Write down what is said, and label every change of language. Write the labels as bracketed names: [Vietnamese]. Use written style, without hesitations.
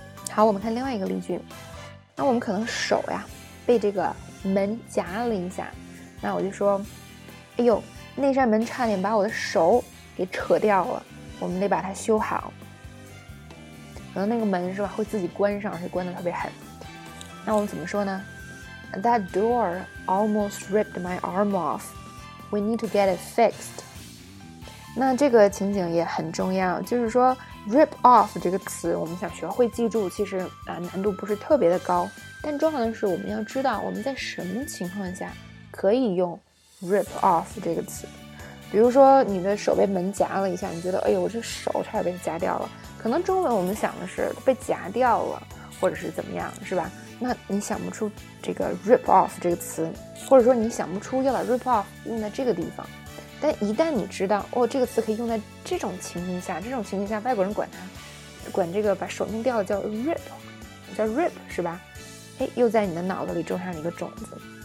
[Chinese] 好，我们看另外一个例句。那我们可能手呀被这个门夹了一下，那我就说哎呦，那扇门差点把我的手给扯掉了，我们得把它修好。可能那个门是吧会自己关上，会关得特别狠。那我们怎么说呢？ [English] That door almost ripped my arm off. We need to get it fixed. [Chinese] 那这个情景也很重要，就是说 rip off 这个词我们想学会记住其实难度不是特别的高，但重要的是我们要知道我们在什么情况下可以用 rip off 这个词。比如说你的手被门夹了一下，你觉得哎呦我这手差点被夹掉了，可能中文我们想的是被夹掉了或者是怎么样是吧，那你想不出这个 rip off 这个词，或者说你想不出要把 rip off 用在这个地方，但一旦你知道哦，这个词可以用在这种情形下，这种情形下外国人管这个把手弄掉了叫 rip 是吧，哎，又在你的脑子里种上了一个种子。